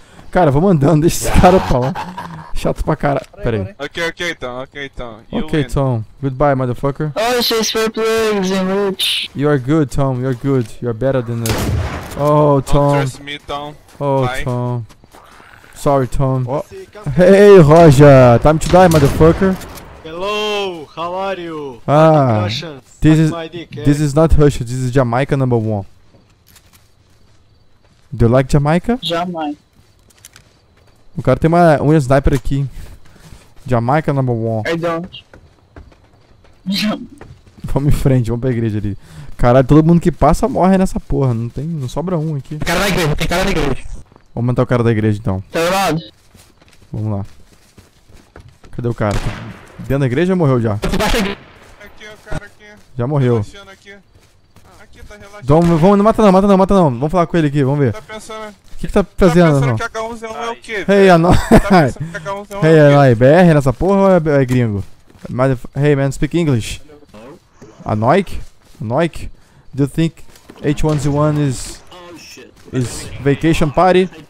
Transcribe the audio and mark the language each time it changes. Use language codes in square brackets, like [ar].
[pt] Cara, vamos andando, deixa esse cara pra lá. Chato pra cara. Pera aí. [en] Ok, Tom. Tom. Goodbye, motherfucker. Oh, she's for plagues and rich. You're good, Tom. You're better than this. Oh, Tom. Trust me, Tom. Oh, Tom. Sorry, Tom. Oh. Hey, Roger. Time to die, motherfucker. Hello, how are you? Ah. This is not Russia. This is Jamaica number one. Do you like Jamaica? Jamaica. [pt] O cara tem um sniper aqui. [en] Jamaica number one. I don't. [pt] Vamos em frente, vamos pra igreja ali. Caralho, todo mundo que passa morre nessa porra. Não tem, não sobra um aqui. Tem cara na igreja, tem cara na igreja. Vamos matar o cara da igreja então. Tá errado. Vamos lá. Cadê o cara? Dentro da igreja ou morreu já? Aqui, o cara aqui. Já morreu. Aqui tá relaxando. Vamos, não mata não. Vamos falar com ele aqui, vamos ver. Tá pensando. O que, que tá fazendo? Tá pensando não? Que H1Z1 é o quê? Hey, tá pensando que H1Z1 hey, é o quê? Hey, BR nessa porra ou é gringo? [en] Hey, man, speak English. A Noik? Noik? Do you think H1Z1 is vacation party?